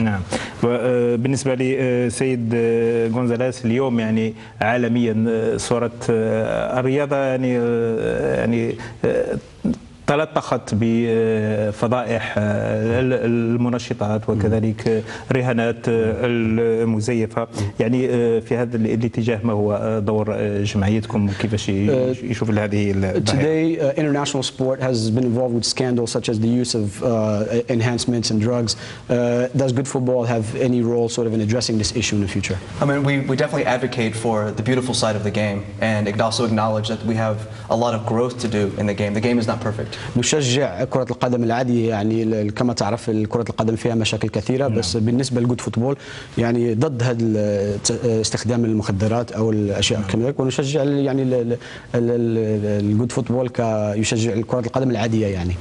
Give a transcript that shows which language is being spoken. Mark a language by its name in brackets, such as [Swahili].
[Arabic] نعم وبالنسبة لسيد غونزاليس اليوم يعني عالميا صورة الرياضة يعني تلطخت بفضائح المنشطات وكذلك رهانات المزيفة يعني في هذا الاتجاه ما هو دور جمعيتكم كيف يشوف هذه الظاهرة [English] Today international sport has been involved with scandals such as the use of enhancements and drugs does good football have any role sort of in addressing this issue in the future I mean we definitely advocate for the beautiful side of the game and also acknowledge that we have a lot of growth to do in the game is not perfect [Arabic] نشجع كرة القدم العادية يعني كما تعرف كرة القدم فيها مشاكل كثيرة بس نعم بالنسبة لجود فوتبول يعني ضد هذا استخدام المخدرات أو الأشياء نعم كذلك ونشجع يعني الجود فوتبول كيشجع كرة القدم العادية يعني